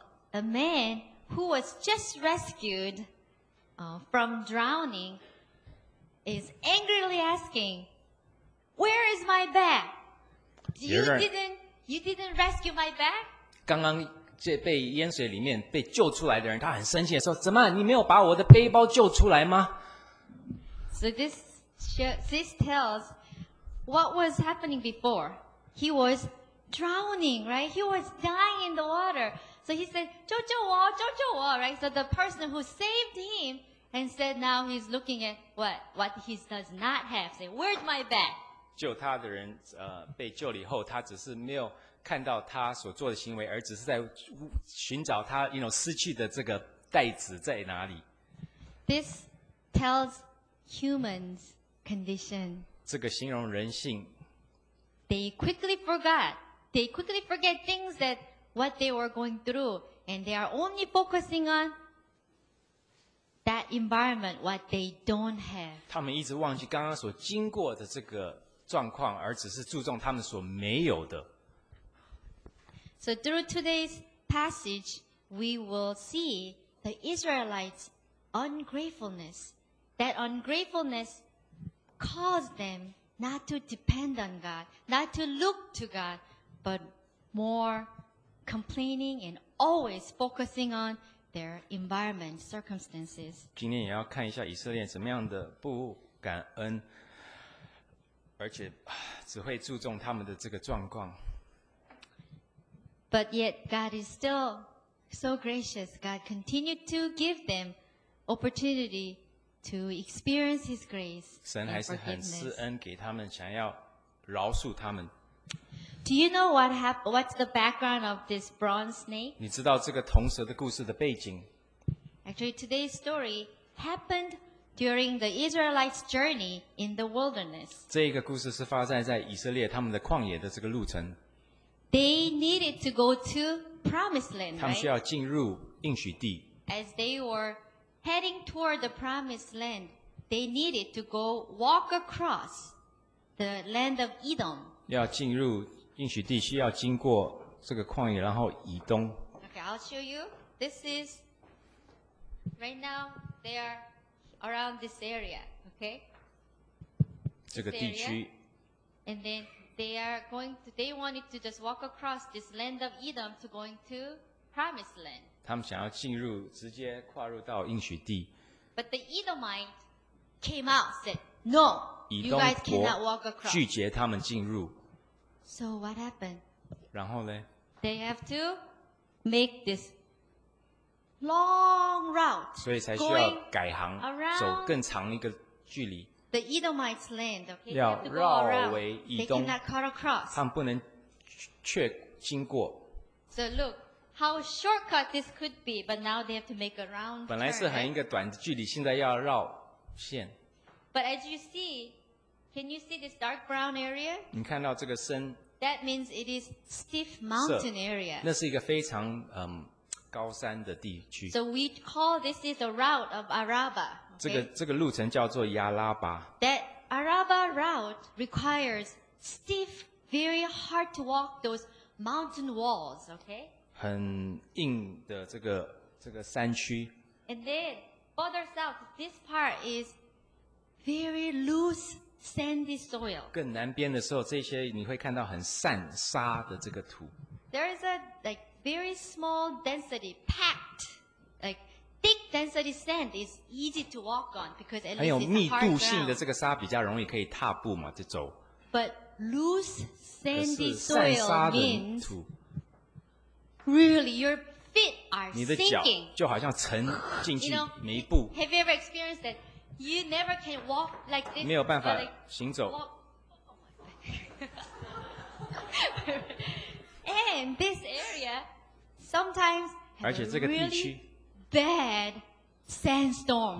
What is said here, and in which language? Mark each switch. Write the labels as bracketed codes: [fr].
[en] A man who was just rescued from drowning is angrily asking, "Where is my bag? You didn't rescue my bag?" [zh] 刚刚这被淹水里面被救出来的人，他很生气的说，怎么你没有把我的背包救出来吗？ [en] So this tells what was happening before. He was drowning, right? He was dying in the water. So he said, [zh] 救救我救救我 [en] right? So the person who saved him and said now he's looking at what he does not have. Say, where's my bag? [zh] 救他的人被救了以后他只是没有看到他所做的行为而只是在寻找他失去的这个袋子在哪里。 [en] This tells humans' condition. [zh] 这个形容人性。 [en] They quickly forget things thatWhat they were going through, and they are only focusing on that environment, what they don't have. [zh] 他们一直忘记刚刚所经过的这个状况，而只是注重他们所没有的。 [en] So through today's passage, we will see the Israelites' ungratefulness. That ungratefulness caused them not to depend on God, not to look to God, but more. Complaining and always focusing on their environment circumstances. [zh] 今天也要看一下以色列怎么样的不感恩，而且只会注重他们的这个状况。 [en] But yet God is still so gracious. God continued to give them opportunity to experience His grace. [zh] 神还是很施恩给他们，想要饶恕他们。 [en] Do you know what's the background of this bronze snake? [zh] 你知道这个铜蛇的故事的背景？ [en] Actually, today's story happened during the Israelites' journey in the wilderness. [zh] 这个故事是发生在以色列他们的旷野的这个路程。 [en] They needed to go to Promised Land, right? [zh] 他们需要进入应许地。 [en] As they were heading toward the Promised Land, they needed to go walk across the land of Edom. [zh] 要进入应许地需要经过这个旷野，然后以东。 [en] Okay, I'll show you. This is right now. They are around this area. Okay. [zh] 这个地区。 [en] And then they are going to. They wanted to just walk across this land of Edom to going to Promised Land. [zh] 他们想要进入，直接跨入到应许地。 [en] But the Edomite came out said, "No, you guys cannot walk across." [zh] 拒绝他们进入。 [en] So what happened? [zh] 然后呢? [en] They have to make this long route. [zh] 所以才需要改行，走更长一个距离。 [en] The Edomites' land, okay? [zh] 要绕为以东。 [en] They cannot cut across. [zh] 他们不能却经过。 [en] So look how shortcut this could be, but now they have to make a round. [zh] 本来是很一个短的距离，现在要绕线。 [en] But as you see. Can you see this dark brown area? [zh] 你看到这个深 [en] That means it is stiff mountain area. [zh] 那是一个非常高山的地区 [en] So we call this is a route of Araba.、Okay? [zh] 这个路程叫做亚拉巴 [en] That Araba route requires stiff, very hard to walk those mountain walls. Okay. [zh] 很硬的这个山区 [en] And then further south, this part is very loose. Sandy soil. [zh] 更南边的时候，这些你会看到很散沙的这个土。 [en] There is a like very small density, packed, like thick density sand is easy to walk on because it's [zh] 很有密度性的这个沙比较容易可以踏步嘛，就走。 [en] But loose sandy soil means [zh] 散沙的土 [en] really your feet are sinking. [zh] 你的脚就好像沉进去每一步。 [en] You know, have you ever experienced that? You never can walk like this. [zh] 没有办法行走。 [en] And this area sometimes has [zh] 而且这个地区 [en] bad sandstorm.